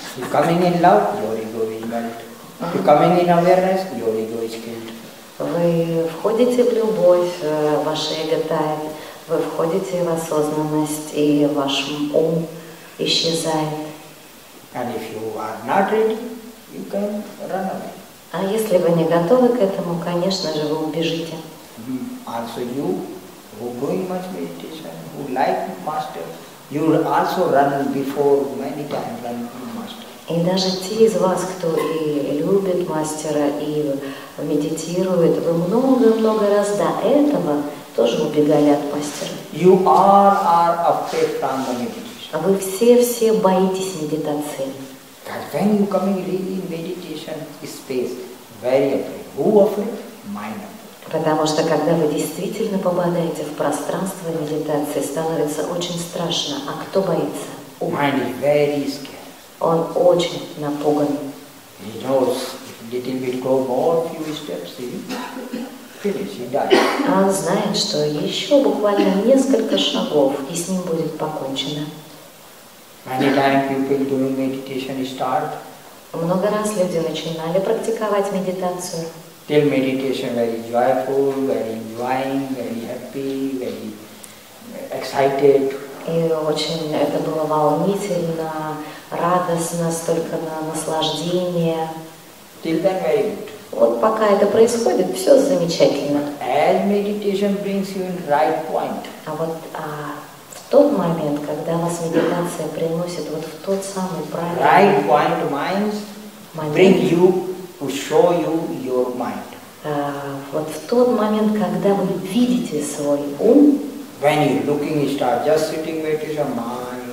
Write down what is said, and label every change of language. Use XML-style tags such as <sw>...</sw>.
<en>Coming in love, your ego is melt. Coming in awareness, your ego is killed.</en> <ru>Вы входите в любовь, ваше эго тает, вы входите в осознанность, и ваш ум исчезает.</ru> <en>And if you are not ready, you can run away.</en> <ru>А если вы не готовы к этому, конечно же, вы убежите.</ru> <en>Also you, who doing much meditation, who like master, you will also run before many times run master.</en> <ru>И даже те из вас, кто и любит мастера, и медитирует, вы много-много раз до этого тоже убегали от мастера.</ru> <en>You are afraid from the meditation.</en> <ru>А вы все-все боитесь медитации.</ru> <en>That when you come in really meditation space, very afraid. Who afraid? Mind afraid.</en> <ru>Потому что когда вы действительно попадаете в пространство медитации, становится очень страшно. А кто боится?</ru> <en>Mind is very scared.</en> <ru>Он очень напуган.</ru> <en>He knows if little bit go more few steps, he finish, he dies.</en> <ru>Он знает, что еще буквально несколько шагов, и с ним будет покончено.</ru> <en>Many times people doing meditation start.</en> <ru>Много раз люди начинали практиковать медитацию.</ru> <en>Till meditation very joyful, very enjoying, very happy, very excited.</en> <ru>И очень это было волнительно, радостно, столько на наслаждение.</ru> <en>Till then very good.</en> <ru>Вот пока это происходит, все замечательно.</ru> <en>As meditation brings you in right point.</en> <ru>А вот в тот момент, когда вас медитация приносит вот в тот самый правильный</ru> <en>right point minds момент, bring you to show you your mind.</en> <ru>Вот в тот момент, когда вы видите свой ум.</ru> <en>When you looking, you start just sitting meditation, mind.</en>